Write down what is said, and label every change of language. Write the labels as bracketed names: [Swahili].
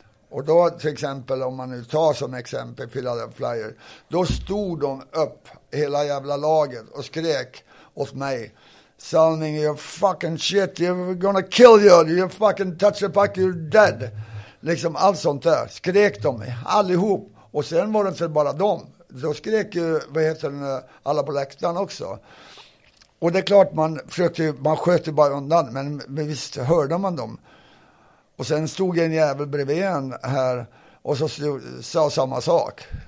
[Swedish] Och då till exempel, om man nu tar som exempel Philadelphia Flyers, då stod de upp hela jävla laget och skrek åt mig. [English] sounding, you fucking shit, you're gonna kill you, you fucking touch the puck, you're dead. [Swedish] Liksom allt sånt där, skrek de allihop. Och sen var det inte bara dem. Då skrek ju, vad heter den, alla på läktaren också. Och det är klart, man försökte, man sköt ju bara undan, men visst hörde man dem. Och sen stod en jävel bredvid en här och så sa samma sak.